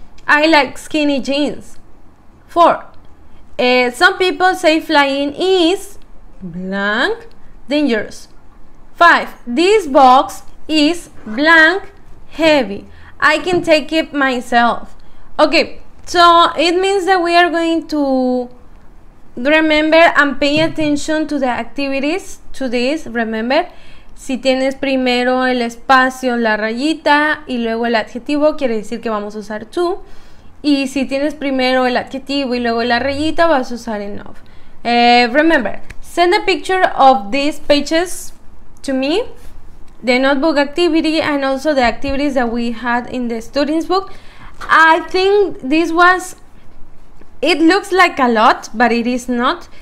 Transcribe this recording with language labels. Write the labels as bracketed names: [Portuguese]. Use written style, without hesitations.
[English] I like skinny jeans. 4. Some people say flying is blank dangerous. 5. This box is blank heavy. I can take it myself. Okay, so it means that we are going to remember and pay attention to the activities, to this, remember. [Spanish] Si tienes primero el espacio, la rayita, y luego el adjetivo, quiere decir que vamos a usar to. Y si tienes primero el adjetivo y luego la rayita, vas a usar enough. [English] Remember, send a picture of these pages to me, the notebook activity, and also the activities that we had in the students' book. I think this was... It looks like a lot, but it is not.